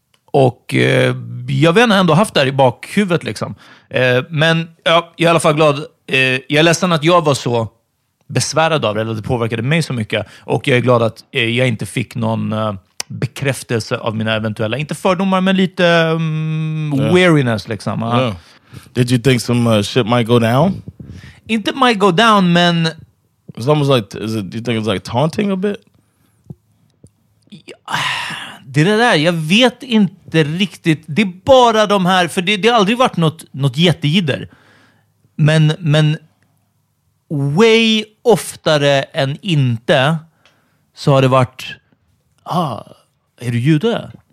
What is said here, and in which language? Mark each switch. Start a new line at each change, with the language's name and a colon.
Swedish: Och jag vet ändå haft det här i bakhuvudet liksom. Men ja, jag är i alla fall glad. Jag är ledsen att jag var så besvärad av det, eller att det påverkade mig så mycket. Och jag är glad att jag inte fick någon... bekräftelse av mina eventuella, inte fördomar, men lite weariness liksom.
English: Did you think some shit might go down?
Swedish: Inte
English: might go down,
Swedish: men
English: it's almost like, is it, do you think it's like taunting a bit?
Swedish: Det är det där, jag vet inte riktigt. Det är bara de här, för det har aldrig varit något jättegider, men way oftare än inte så har det varit, är du jude?